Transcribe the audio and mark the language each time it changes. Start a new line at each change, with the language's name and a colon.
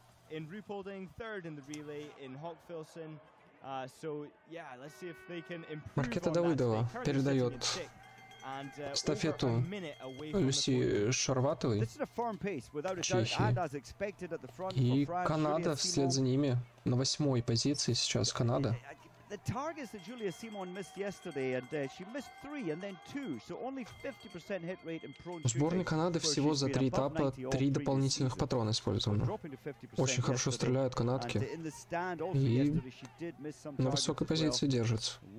English: In Ruhpolding, third in the relay in Hochfilzen. So yeah, let's see if they can improve.
Russian: Маркета Давыдова передает эстафету Люси Шарватовой, Чехии. И Канада вслед за ними на восьмой позиции сейчас Канада.
English: The targets that Julia Simon missed yesterday, and she missed three and then two, so only 50% hit rate in prone shooting.
Russian: В сборной Канады всего за три этапа три дополнительных патрона использовано. Очень хорошо стреляют канадки и на высокой позиции держатся.